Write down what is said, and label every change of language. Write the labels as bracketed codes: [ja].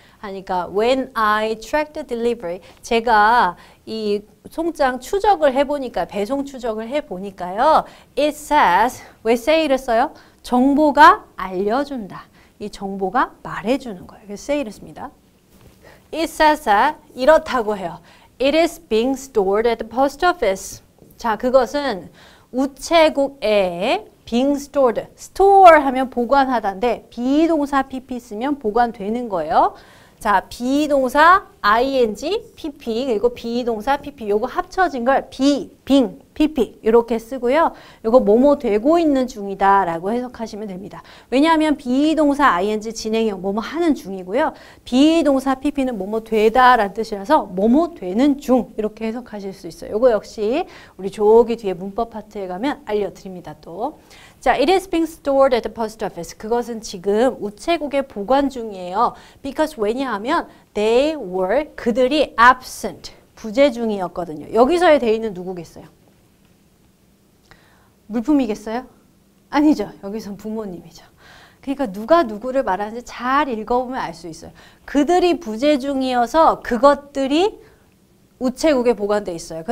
[ko] 하니까 [en] when I tracked the delivery, [ko] 제가 이 송장 추적을 해보니까 배송 추적을 해보니까요, [en] it says, [ko] 왜 say를 써요? 정보가 알려준다. 이 정보가 말해주는 거예요. 그래서 say를 씁니다. [en] It says that [ko] 이렇다고 해요. [en] It is being stored at the post office. [ko] 자, 그것은 우체국에 [en] being stored. [ko] store 하면 보관하다인데 비동사 pp 쓰면 보관되는 거예요. 자, 비동사 ing pp 그리고 비동사 pp 요거 합쳐진 걸 be, being, pp 이렇게 쓰고요. 요거 뭐뭐 되고 있는 중이다라고 해석하시면 됩니다. 왜냐하면 비동사 ing 진행형 뭐뭐 하는 중이고요. 비동사 pp는 뭐뭐 되다라는 뜻이라서 뭐뭐 되는 중 이렇게 해석하실 수 있어요. 요거 역시 우리 저기 뒤에 문법 파트에 가면 알려드립니다. 또 자, [en] it is being stored at the post office. [ko] 그것은 지금 우체국에 보관 중이에요. [en] Because [ko] 왜냐하면 [en] they were, [ko] 그들이 [en] absent, [ko] 부재 중이었거든요. 여기서의 they는 누구겠어요? 물품이겠어요? 아니죠. 여기서 부모님이죠. 그러니까 누가 누구를 말하는지 잘 읽어보면 알 수 있어요. 그들이 부재 중이어서 그것들이 우체국에 보관돼 있어요.